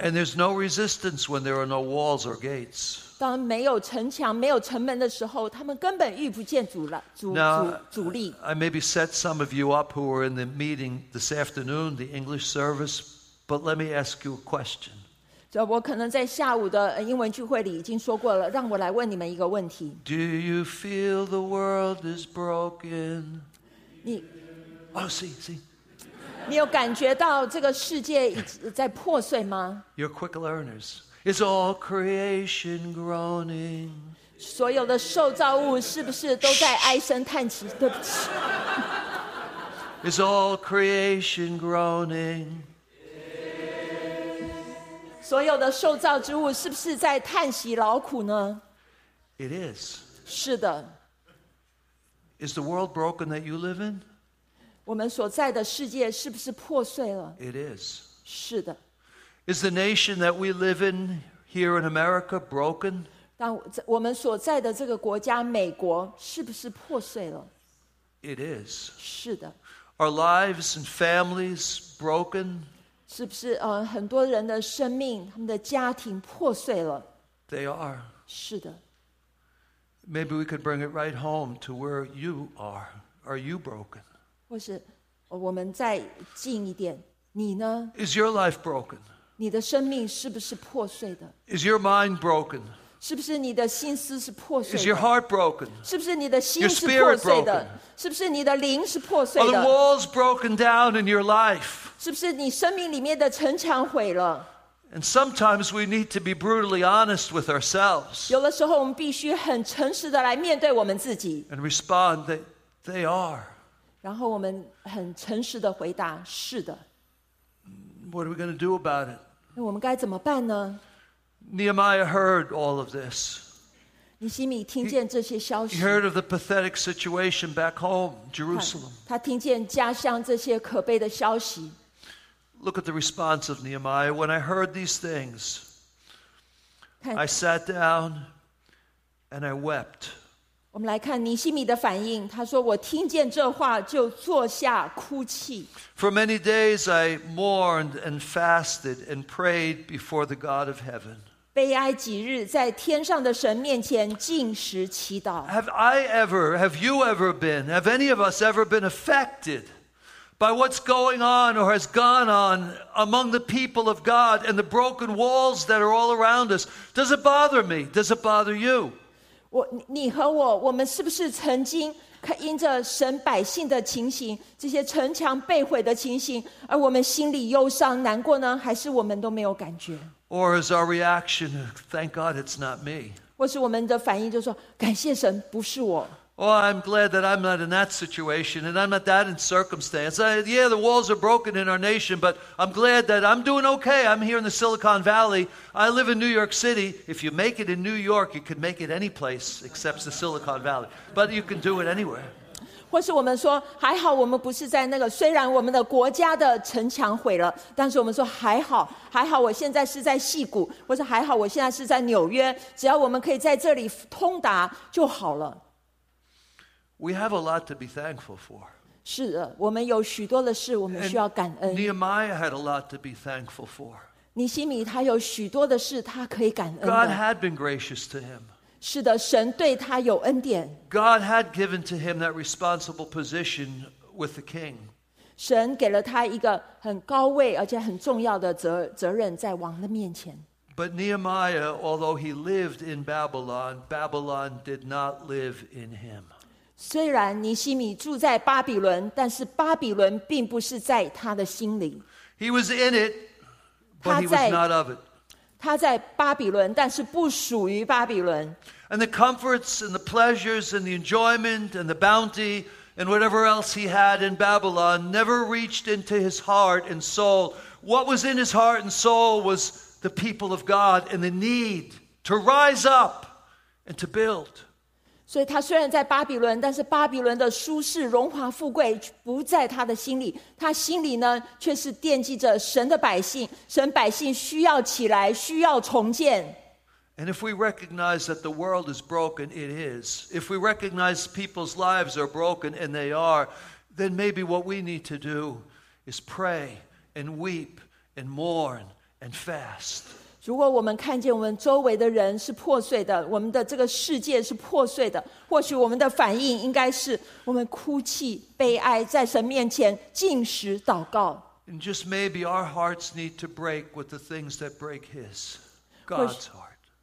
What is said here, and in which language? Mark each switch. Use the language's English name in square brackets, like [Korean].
[English] And there's no resistance when there are no walls or gates. [Chinese] 当没有城墙、没有城门的时候，他们根本遇不见阻力。 [English] I maybe set some of you up who were in the meeting this afternoon, the English service, but let me ask you a question. [Chinese] 我可能在下午的英文聚会里已经说过了，让我来问你们一个问题。 [English] Do you feel the world is broken? [Chinese] 你 [English] Oh, see. [Chinese] 你有感觉到这个世界在破碎吗 [English] ？You're quick learners. Is all creation groaning? [Chinese] 所有的受造物是不是都在唉声叹气？对不起。 [English] Is all creation groaning? [Chinese] 所有的受造之物是不是在叹息劳苦呢 [English] ？It is. [Chinese] 是的。 [English] Is the world broken that you live in? [Chinese] 我们所在的世界是不是破碎了 [English] ？It is. [Chinese] 是的。 [English] Is the nation that we live in here in America broken? [Chinese] 当我们所在的这个国家美国是不是破碎了 [English] ？It is. [Chinese] 是的。 [English] Our lives and families broken? [Chinese] 是不是很多人的生命他们的家庭破碎了 [English] ？They are. [Chinese] 是的。 [English] Maybe we could bring it right home to where you are. Are you broken? [Chinese] 或是我们再近一点，你呢 [English] ？Is your life broken？ [Chinese] 你的生命是不是破碎的 [English] ？Is your mind broken？ [Chinese] 是不是你的心思是破碎的 [English] ？Is your heart broken？ [Chinese] 是不是你的心是破碎的？是不是你的灵是破碎的 [English] ？Are the walls broken down in your life？ [Chinese] 是不是你生命里面的城墙毁了 [English] ？And sometimes we need to be brutally honest with ourselves。 [Chinese] 有的时候我们必须很诚实的来面对我们自己。 [English] And respond that they are。 [Chinese] 然后我们很诚实的回答：“是的。” [English] What are we going to do about it? [Chinese] 那我们该怎么办呢？ [English] Nehemiah heard all of this. [Chinese] 尼希米听见这些消息。 [English] He heard of the pathetic situation back home, Jerusalem. [Chinese] 他听见家乡这些可悲的消息。 [English] Look at the response of Nehemiah. When I heard these things, I sat down and I wept. [Chinese] 我们来看尼希米的反应。他说：“我听见这话就坐下哭泣。” [English] For many days I mourned and fasted and prayed before the God of heaven. [Chinese] 悲哀几日，在天上的神面前禁食祈祷。 [English] Have I ever? Have you ever been? Have any of us ever been affected by what's going on or has gone on among the people of God and the broken walls that are all around us? Does it bother me? Does it bother you? [Chinese] 你和我，我们是不是曾经因着神百姓的情形，这些城墙被毁的情形，而我们心里忧伤难过呢？还是我们都没有感觉 [English] ？Or is our reaction, "Thank God it's not me"? [Chinese] 或是我们的反应就说，感谢神，不是我。 [English] Oh, I'm glad that I'm not in that situation and I'm not that in circumstance. Yeah, the walls are broken in our nation, but I'm glad that I'm doing okay. I'm here in the Silicon Valley. I live in New York City. If you make it in New York, you can make it any place except the Silicon Valley. But you can do it anywhere. [Chinese] 或是我们说还好我们不是在那个虽然我们的国家的城墙毁了但是我们说还好还好我现在是在矽谷或是还好我现在是在纽约只要我们可以在这里通达就好了。 [English] We have a lot to be thankful for. [Chinese] 是的，我们有许多的事我们需要感恩。 [English] Nehemiah had a lot to be thankful for. [Chinese] 尼希米他有许多的事他可以感恩的。 [English] God had been gracious to him. [Chinese] 是的，神对他有恩典。 [English] God had given to him that responsible position with the king. [Chinese] 神给了他一个很高位而且很重要的责任在王的面前。 [English] But Nehemiah, although he lived in Babylon, Babylon did not live in him. [Chinese] 虽然尼希米住在巴比伦，但是巴比伦并不是在他的心里。 [English] He was in it, but he was not of it. [Chinese] 他在巴比伦，但是不属于巴比伦。 [English] And the comforts and the pleasures and the enjoyment and the bounty and whatever else he had in Babylon never reached into his heart and soul. What was in his heart and soul was the people of God and the need to rise up and to build. [Chinese] 所以他虽然在巴比伦，但是巴比伦的舒适荣华富贵不在他的心里，他心里呢却是惦记着神的百姓，神百姓需要起来，需要重建。 [English] And if we recognize that the world is broken, it is. If we recognize people's lives are broken, and they are, then maybe what we need to do is pray and weep and mourn and fast. [Chinese] 如果我们看见我们周围的人是破碎的，我们的这个世界是破碎的，或许我们的反应应该是我们哭泣、悲哀，在神面前进食、祷告。 [English] And just maybe our hearts need to break with the things that break His, God's heart.